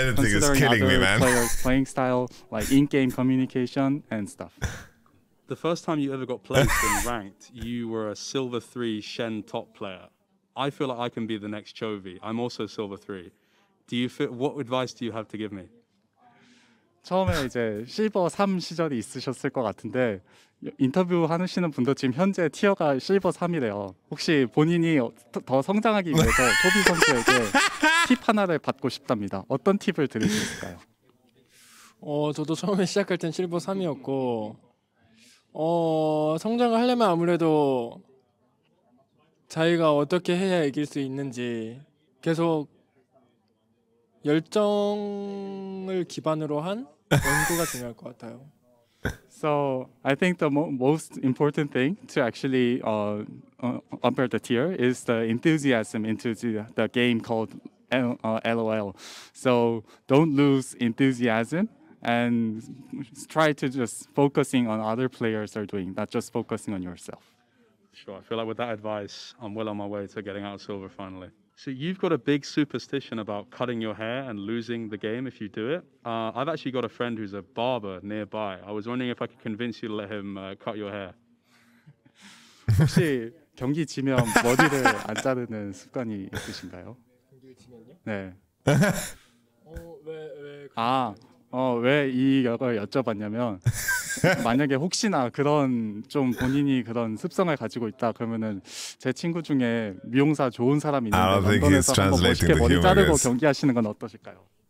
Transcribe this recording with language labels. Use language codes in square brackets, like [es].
[en] considering other players' playing style, like in-game communication and stuff. The first time you ever got placed and ranked, you were a Silver 3 Shen top player. I feel like I can be the next Chovy. I'm also Silver 3. What advice do you have to give me? [ko] 처음에 이제 실버 3 시절이 있으셨을 것 같은데 인터뷰 하시는 분도 지금 현재 티어가 실버 3이래요. 혹시 본인이 더 성장하기 위해서 초비 선수에게 팁 하나를 받고 싶답니다. 어떤 팁을 드릴 수 있을까요? 저도 처음에 시작할 땐 실버 3이었고 성장을 하려면 아무래도 자기가 어떻게 해야 이길 수 있는지 계속 열정을 기반으로 한 연구가 중요할 것 같아요. [en] So I think the most important thing to actually upper the tier is the enthusiasm into the game called LOL. So don't lose enthusiasm. And try to just focusing on other players are doing, not just focusing on yourself. Sure, I feel like with that advice, I'm well on my way to getting out of silver finally. So you've got a big superstition about cutting your hair and losing the game if you do it. I've actually got a friend who's a barber nearby. I was wondering if I could convince you to let him cut your hair. [ko] 혹시 경기 지면 머리를 안 자르는 습관이 있으신가요? 경기 지면요? 네. 왜 이걸 여쭤봤냐면 만약에 혹시나 그런 좀 본인이 그런 습성을 가지고 있다 그러면은 제 친구 중에 미용사 좋은 사람 있는데 런던에서 한번 멋있게 머리 자르고 경기하시는 건 어떠실까요?